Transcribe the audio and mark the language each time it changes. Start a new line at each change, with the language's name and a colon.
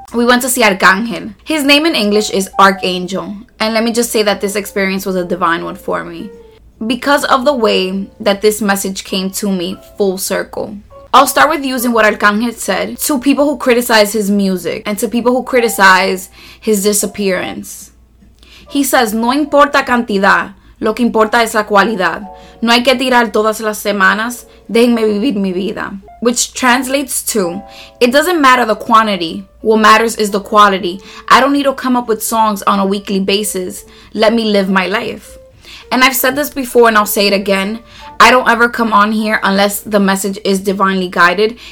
English: We went to see Arcángel. His name in English is Archangel. And let me just say that this experience was a divine one for me because of the way that this message came to me full circle. I'll start with using what Arcángel said to people who criticize his music and to people who criticize his disappearance. He says,
Spanish: no importa cantidad, lo que importa es la cualidad. No hay que tirar todas las semanas, déjenme vivir mi vida.
English: Which translates to, it doesn't matter the quantity, what matters is the quality. I don't need to come up with songs on a weekly basis, let me live my life. And I've said this before and I'll say it again. I don't ever come on here unless the message is divinely guided.